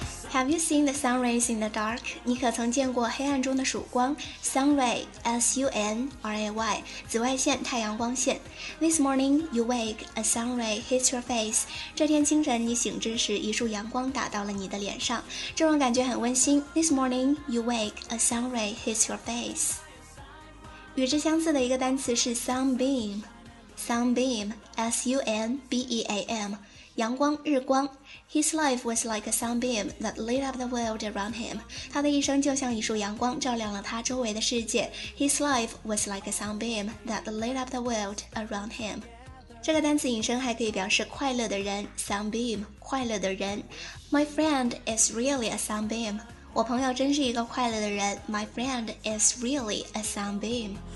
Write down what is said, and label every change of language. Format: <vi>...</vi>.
<en>Have you seen the sun rays in the dark?</en> <zh>你可曾见过黑暗中的曙光 ？</zh> <en>Sun ray, S-U-N-R-A-Y,</en> <zh>紫外线，太阳光线。</zh> <en>This morning you wake, a sun ray hits your face.</en> <zh>这天清晨你醒之时，一束阳光打到了你的脸上，这种感觉很温馨。</zh> <en>This morning you wake, a sun ray hits your face.</en> <zh>与之相似的一个单词是 sunbeam, sunbeam, S-U-N-B-E-A-M. 阳光日光</zh> <en>His life was like a sunbeam that lit up the world around him</en> <zh>他的一生就像一束阳光照亮了他周围的世界</zh> <en>His life was like a sunbeam that lit up the world around him</en> <zh>这个单词引申还可以表示快乐的人</zh> <en>sunbeam</en> <zh>快乐的人</zh> <en>My friend is really a sunbeam</en> <zh>我朋友真是一个快乐的人</zh> <en>My friend is really a sunbeam</en>